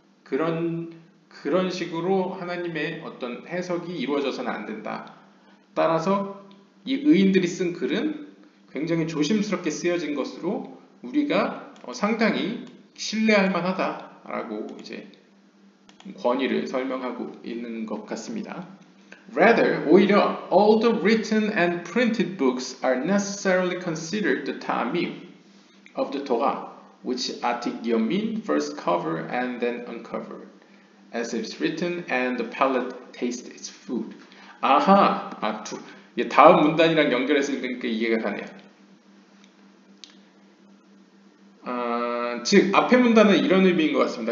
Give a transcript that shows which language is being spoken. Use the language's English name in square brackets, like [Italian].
[Korean] 그런 식으로 하나님의 어떤 해석이 이루어져서는 안 된다. 따라서 이 의인들이 쓴 글은 굉장히 조심스럽게 쓰여진 것으로 우리가 상당히 신뢰할 만하다라고 이제 권위를 설명하고 있는 것 같습니다. [English] Rather, [Korean] 오히려 [English] all the written and printed books are necessarily considered the ta'amim of the Torah, which atik yomin first cover and then uncover, as it's written and the palate tastes its food. [Korean] 아하, 이 다음 문단이랑 연결해서 읽으니까 이해가 가네요. 즉 앞에 문단은 이런 의미인 것 같습니다.